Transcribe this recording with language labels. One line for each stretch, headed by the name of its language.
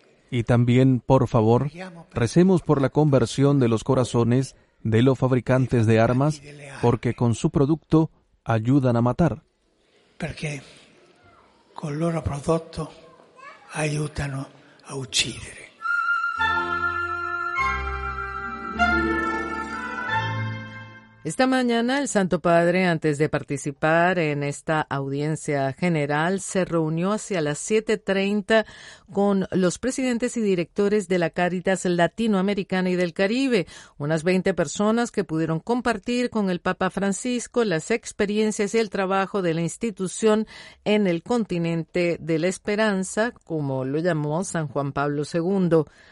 Spanish: Y también, por favor, recemos por la conversión de los corazones de los fabricantes de armas, porque con su producto ayudan a matar. Porque
Italian: con loro prodotto aiutano a uccidere.
Spanish: Esta mañana el Santo Padre, antes de participar en esta audiencia general, se reunió hacia las 7:30 con los presidentes y directores de la Cáritas Latinoamericana y del Caribe, unas 20 personas que pudieron compartir con el Papa Francisco las experiencias y el trabajo de la institución en el continente de la esperanza, como lo llamó San Juan Pablo II.